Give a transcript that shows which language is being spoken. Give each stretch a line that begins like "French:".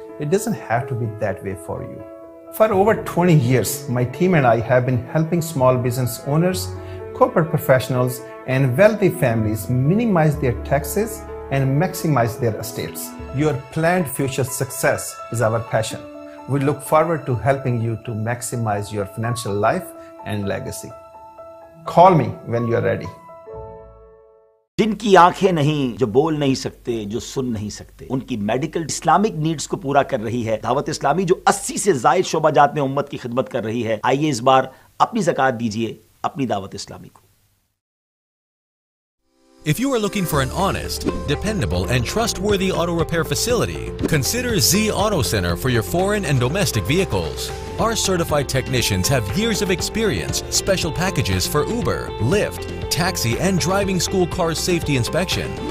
English: It doesn't have to be that way for you. For over 20 years, my team and I have been helping small business owners, corporate professionals, and wealthy families minimize their taxes and maximize their estates. Your planned future success is our passion. We look forward to helping you to maximize your financial life and legacy. Call me when you are ready.
Hindi: जिनकी आंखें नहीं, जो बोल नहीं सकते, जो सुन नहीं सकते, उनकी मेडिकल इस्लामिक नीड्स को पूरा कर रही है दावत इस्लामी, जो 80 से ज़ायद शोबा जात में उम्मत की खिदमत कर रही है। आइए इस बार अपनी ज़कात दीजिए अपनी दावत इस्लामी को।
English: If you are looking for an honest, dependable, and trustworthy auto repair facility, consider Z Auto Center for your foreign and domestic vehicles. Our certified technicians have years of experience, special packages for Uber, Lyft, taxi, and driving school car safety inspection.